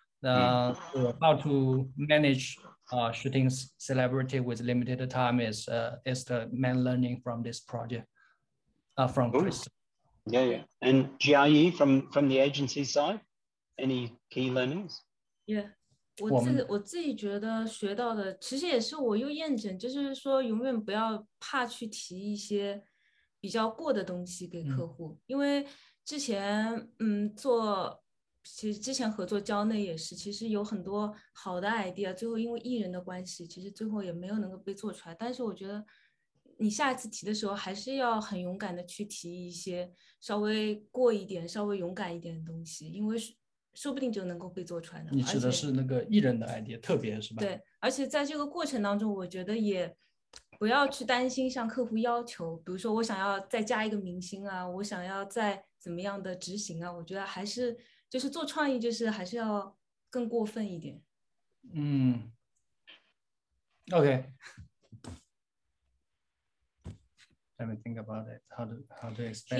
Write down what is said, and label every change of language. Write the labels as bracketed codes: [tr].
[en] How to manage shooting celebrity with limited time is the main learning from this project, from Chris. Yeah, yeah. And Jiayi, from the agency side, any key learnings? Yeah. [zh] 我自己觉得学到的其实也是我又验证，就是说永远不要怕去提一些比较过的东西给客户，因为之前做，其实之前合作交内也是，其实有很多好的 idea 最后因为艺人的关系其实最后也没有能够被做出来，但是我觉得你下一次提的时候还是要很勇敢的去提一些稍微过一点稍微勇敢一点的东西，因为说不定就能够被做出来的。你指的是那个艺人的 idea 特别是吧？对，而且在这个过程当中我觉得也不要去担心向客户要求，比如说我想要再加一个明星啊，我想要再怎么样的执行啊，我觉得还是就是做创意就是还是要更过分一点。 [en] 嗯 OK, let me think about it, how to explain.